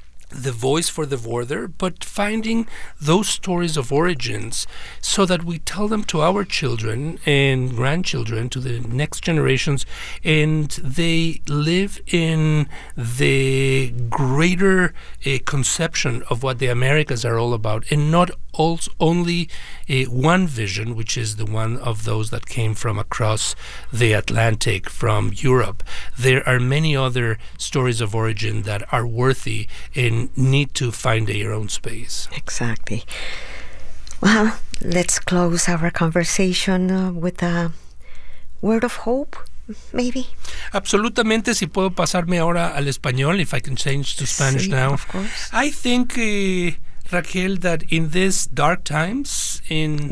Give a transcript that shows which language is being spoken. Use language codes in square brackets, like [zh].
[en] the voice for the border, but finding those stories of origins so that we tell them to our children and grandchildren, to the next generations, and they live in the greater conception of what the Americas are all about, and not only one vision, which is the one of those that came from across the Atlantic from Europe. There are many other stories of origin that are worthy and need to find their own space. Exactly. Well, let's close our conversation with a word of hope. Maybe. [es] Absolutamente, si puedo pasarme ahora al español, [en] if I can change to Spanish. [es] Sí, [en] now. Of course. I think, Raquel, that in these dark times, in...